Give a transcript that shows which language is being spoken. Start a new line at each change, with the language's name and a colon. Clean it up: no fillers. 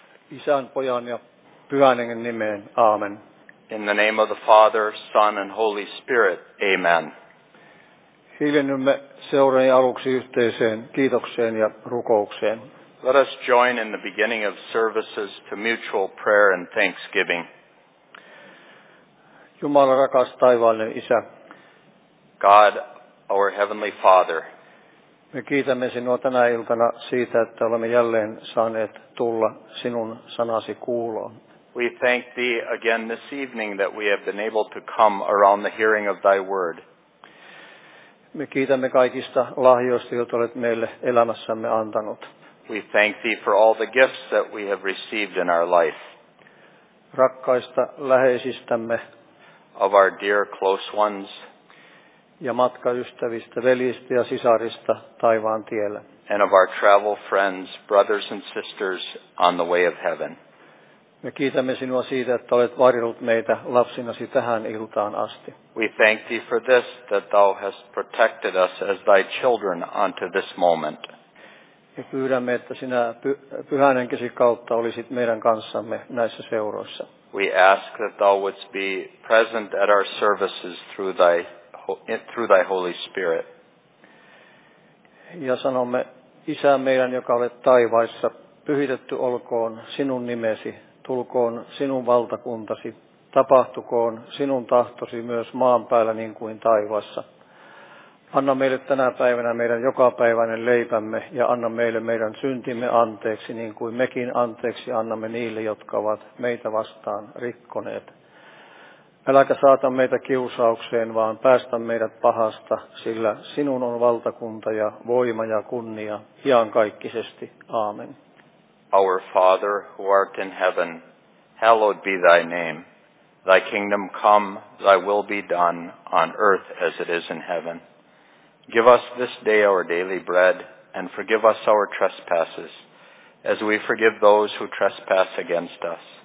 Finnish: Isän, Pojan ja Pyhän Hengen nimeen. Amen.
English: In the name of the Father, Son and Holy Spirit. Amen.
Finnish: Hiljennymme seurani aluksi yhteiseen kiitokseen ja rukoukseen.
English: Let us join in the beginning of services to mutual prayer and thanksgiving.
Finnish: Jumala rakas taivaallinen Isä.
English: God, our Heavenly Father.
Finnish: Me kiitämme sinua tänä iltana siitä, että olemme jälleen saaneet tulla sinun sanasi kuuloon.
English: We thank thee again this evening that we have been able to come around the hearing of thy word.
Finnish: Me kiitämme kaikista lahjoista, joita olet meille elämässämme antanut.
English: We thank thee for all the gifts that we have received in our life.
Finnish: Rakkaista läheisistämme.
English: Of our dear close ones.
Finnish: Ja matkaystävistä, veljistä ja sisarista taivaan tielle.
English: And of our travel friends, brothers and sisters on the way of heaven.
Finnish: Me kiitämme sinua siitä, että olet varjellut meitä lapsinasi tähän iltaan asti.
English: We thank thee for this, that thou hast protected us as thy children unto this moment.
Finnish: Me pyydämme, että sinä Pyhän Henkesi kautta olisit meidän kanssamme näissä seuroissa.
English: We ask that thou wouldst be present at our services through thy Holy Spirit.
Finnish: Ja sanomme, Isä meidän, joka olet taivaissa, pyhitetty olkoon sinun nimesi. Tulkoon sinun valtakuntasi, tapahtukoon sinun tahtosi myös maan päällä niin kuin taivaassa. Anna meille tänä päivänä meidän jokapäiväinen leipämme ja anna meille meidän syntimme anteeksi niin kuin mekin anteeksi annamme niille, jotka ovat meitä vastaan rikkoneet. Äläkä saata meitä kiusaukseen, vaan päästä meidät pahasta, sillä sinun on valtakunta ja voima ja kunnia iankaikkisesti. Aamen.
English: Our Father, who art in heaven, hallowed be thy name. Thy kingdom come, thy will be done, on earth as it is in heaven. Give us this day our daily bread, and forgive us our trespasses, as we forgive those who trespass against us.